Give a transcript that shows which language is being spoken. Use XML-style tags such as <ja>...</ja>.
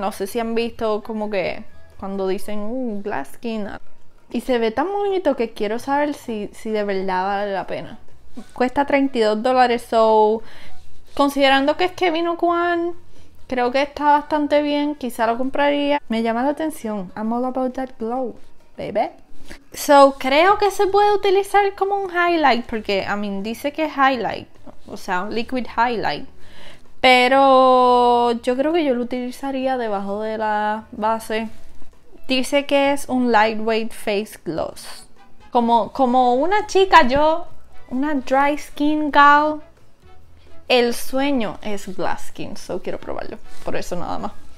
<es>No sé si han visto como que cuando dicen glass skin. Y se ve tan bonito que quiero saber si de verdad vale la pena. Cuesta $32. So, considerando que es Kevin O'Quinn, creo que está bastante bien. Quizá lo compraría. Me llama la atención.</es> <en>I'm all about that glow, baby.</en> <es>So, creo que se puede utilizar como un highlight. Porque,</es> <en>I mean,</en> <es>dice que es highlight. O sea, un liquid highlight. Pero yo creo que yo lo utilizaría debajo de la base. Dice que es un lightweight face gloss. Como una chica, yo, una</es> <en>dry skin gal,</en> <es>el sueño es glass skin. So quiero probarlo. Por eso nada más.</es>